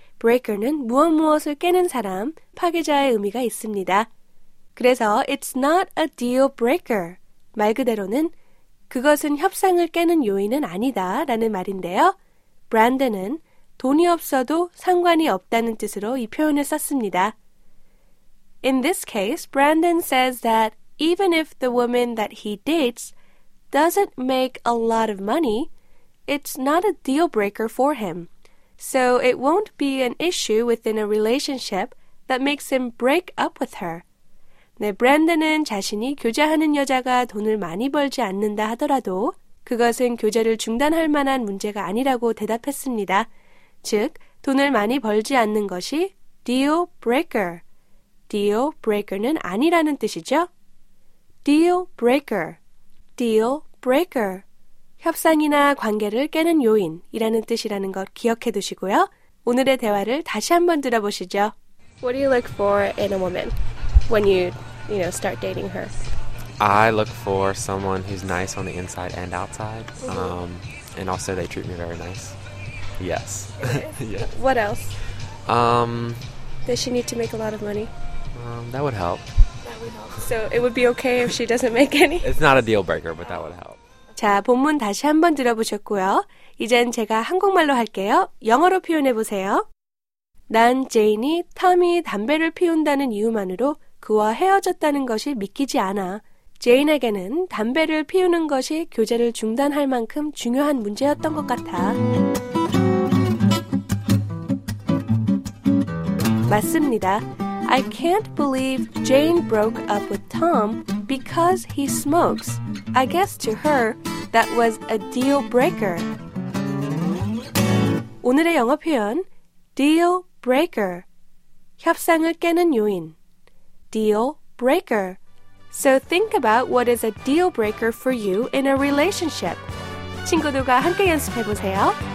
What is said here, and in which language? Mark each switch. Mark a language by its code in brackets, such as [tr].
[ko] Breaker는 무엇무엇을 깨는 사람, 파괴자의 의미가 있습니다. 그래서 [en] It's not a deal breaker. [ko] 말 그대로는 그것은 협상을 깨는 요인은 아니다 라는 말인데요. 브랜든은 돈이 없어도 상관이 없다는 뜻으로 이 표현을 썼습니다. [en] In this case, Brandon says that even if the woman that he dates doesn't make a lot of money, it's not a deal breaker for him. So it won't be an issue within a relationship that makes him break up with her. [ko] 네, 브랜든은 자신이 교제하는 여자가 돈을 많이 벌지 않는다 하더라도 그것은 교제를 중단할 만한 문제가 아니라고 대답했습니다. 즉, 돈을 많이 벌지 않는 것이 deal breaker. deal breaker는 아니라는 뜻이죠. deal breaker. [en] deal breaker. [ko] 협상이나 관계를 깨는 요인이라는 뜻이라는 것 기억해 두시고요. 오늘의 대화를 다시 한번 들어보시죠. [en] What do you look for in a woman when you start dating her? I look for someone who's nice on the inside and outside. Mm-hmm. And also they treat me very nice. Yes. Yes. What else? Does she need to make a lot of money? That would help. So it would be okay if she doesn't make any? It's not a deal breaker, but that would help. [ko] 자, 본문 다시 한번 들어보셨고요. 이젠 제가 한국말로 할게요. 영어로 표현해 보세요. 난 제인이 탐이 담배를 피운다는 이유만으로 그와 헤어졌다는 것이 믿기지 않아. 제인에게는 담배를 피우는 것이 교제를 중단할 만큼 중요한 문제였던 것 같아. 맞습니다. [en] I can't believe Jane broke up with Tom because he smokes. I guess to her, that was a deal breaker. [ko] 오늘의 영어 표현, deal breaker. 협상을 깨는 요인, deal breaker. [en] So think about what is a deal breaker for you in a relationship. [ko] 친구들과 함께 연습해 보세요.